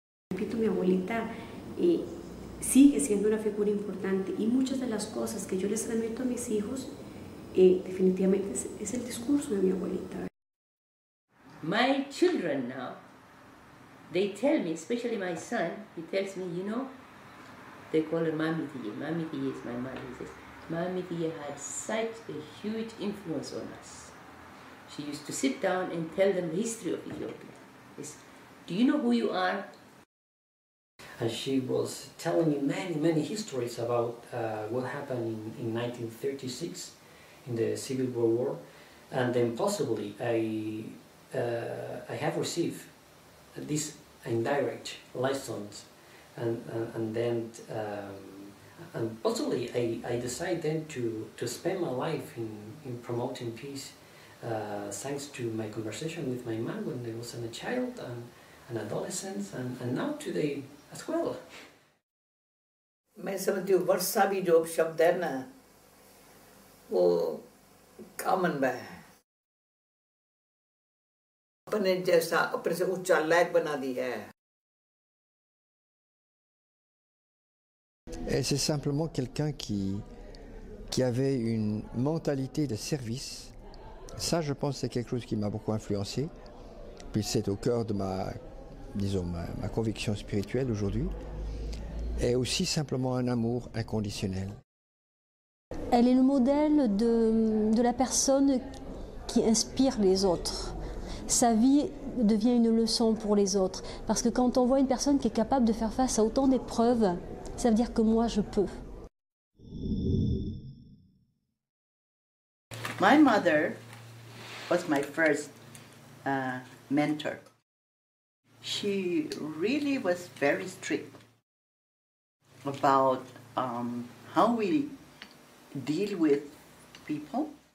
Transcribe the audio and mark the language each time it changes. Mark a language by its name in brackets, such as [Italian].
[Spanish] Repito, mi abuelita sigue siendo una figura importante y muchas de las cosas que yo les transmito a mis hijos definitivamente es el discurso de mi abuelita. [English] My children now, they tell me, especially my son, he tells me, you know, they call her Mami Tia. Mami Tia is my mother. He says, Mami Tia had such a huge influence on us. She used to sit down and tell them the history of Ethiopia. He says, do you know who you are? And she was telling me many, many histories about what happened in 1936 in the Civil War. And then possibly I have received this indirect lessons, and possibly I decide then to spend my life in promoting peace, thanks to my conversation with my mom when I was a child and an adolescent, and now today as well. [Hindi] मैं समझती हूँ वर्षा भी जो शब्द है ना वो common है. अपने जैसा अपने से ऊंचा लायक बना दिया है. [French] Et c'est simplement quelqu'un qui avait une mentalité de service. Ça, je pense, c'est quelque chose qui m'a beaucoup influencé. Puis c'est au cœur de ma conviction spirituelle aujourd'hui. Et aussi simplement un amour inconditionnel. Elle est le modèle de la personne qui inspire les autres. Sa vie devient une leçon pour les autres. Parce que quand on voit une personne qui est capable de faire face à autant d'épreuves, ça veut dire que moi, je peux. [English] My mother was my first mentor. She really was very strict about how we deal with people.